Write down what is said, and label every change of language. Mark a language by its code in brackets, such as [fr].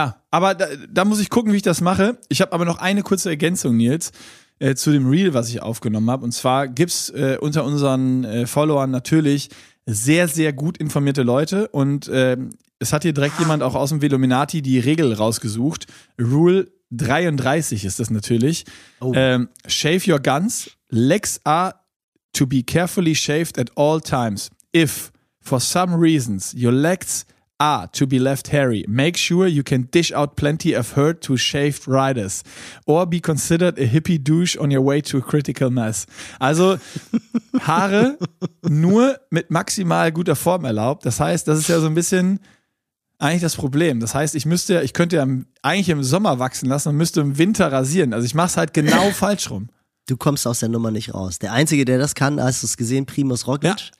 [de] Aber da muss ich gucken, wie ich das mache. Ich habe aber noch eine kurze Ergänzung, Nils, zu dem Reel, was ich aufgenommen habe. Und zwar gibt's unter unseren Followern natürlich sehr, sehr gut informierte Leute. Und es hat hier direkt jemand auch aus dem Veluminati die Regel rausgesucht. [en] Rule 33 [de] ist das natürlich. [en] Oh. Shave your guns. Legs are to be carefully shaved at all times. If, for some reasons, your legs are to be left hairy, make sure you can dish out plenty of herd to shaved riders or be considered a hippie douche on your way to a critical mass. [de] Also Haare nur mit maximal guter Form erlaubt. Das heißt, das ist ja so ein bisschen eigentlich das Problem. Das heißt, ich könnte ja eigentlich im Sommer wachsen lassen und müsste im Winter rasieren. Also ich mach's halt genau falsch rum. Du kommst aus der Nummer nicht raus. Der Einzige, der das kann, hast du es gesehen, Primus Roglic.